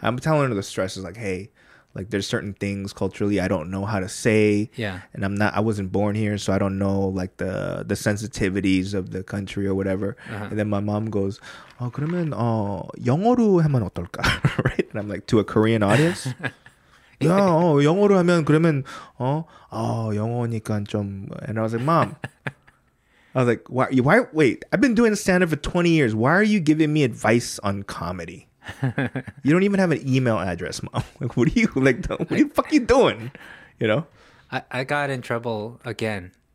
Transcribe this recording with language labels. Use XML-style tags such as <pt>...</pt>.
<en>I'm telling her the stress is like, hey, Like, there's certain things culturally I don't know how to say. Yeah. And I wasn't born here, so I don't know, like, the sensitivities of the country or whatever. Uh-huh. And then my mom goes,</en> <ko>그러면 영어로 하면 어떨까?</ko> <en>Right? And I'm like, to a Korean audience?</en> <ko>Yeah, 영어로 하면 그러면 영어니까 좀.</ko> <en>And I was like, Mom. I was like, wait, I've been doing stand-up for 20 years. Why are you giving me advice on comedy? You don't even have an email address, Mom. Like, what the fuck are you doing? You know? I got in trouble again.</en>